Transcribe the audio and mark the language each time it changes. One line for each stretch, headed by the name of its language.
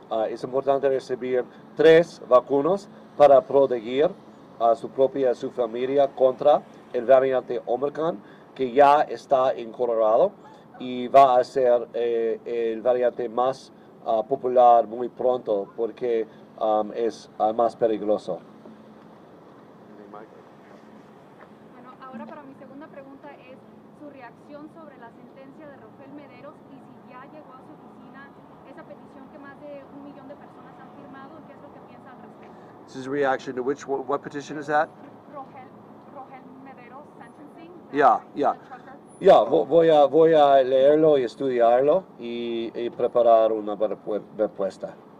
Spanish: Es importante recibir tres vacunas para proteger a su propia y su familia contra el variante Omicron, que ya está en Colorado y va a ser el variante más popular muy pronto porque es más peligroso. Bueno, ahora para mi segunda pregunta es su reacción sobre la sentencia de Rafael Mederos y si ya llegó a su oficina esa petición que más de 1 millón de personas han firmado, ¿qué es lo que piensa al respecto?
English: This is a reaction to which, what petition is that? Rafael Mederos sentencing. Yeah.
Spanish: Ya, voy a leerlo y estudiarlo y preparar una respuesta.